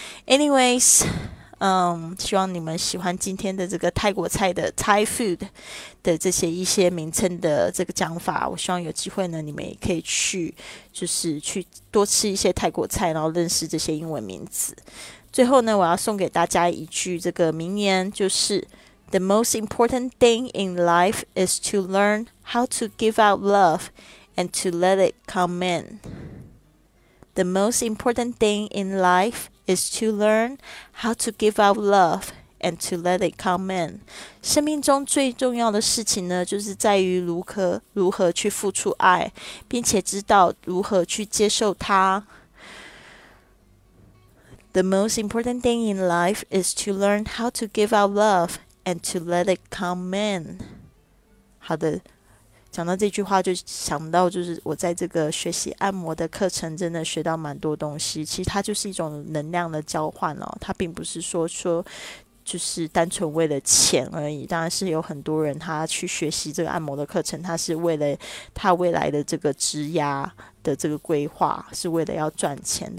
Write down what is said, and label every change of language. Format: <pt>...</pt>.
<en>Anyways，</en> <zh>希望你们喜欢今天的这个泰国菜的 Thai food 的这些一些名称的这个讲法。我希望有机会呢，你们也可以去，就是去多吃一些泰国菜，然后认识这些英文名字。最后呢，我要送给大家一句这个名言，就是</zh> <en>The most important thing in life is to learn how to give out love and to let it come in. The most important thing in life is to learn how to give out love and to let it come in.</en> <zh>生命中最重要的事情呢，就是在于如何去付出爱，并且知道如何去接受它。</zh> <en>The most important thing in life is to learn how to give out love and to let it come in.</en> <zh>好的，讲到这句话就想到，就是我在这个学习按摩的课程真的学到蛮多东西。其实它就是一种能量的交换哦，它并不是说就是单纯为了钱而已。当然是有很多人他去学习这个按摩的课程，他是为了他未来的这个职涯的这个规划，是为了要赚钱。</zh>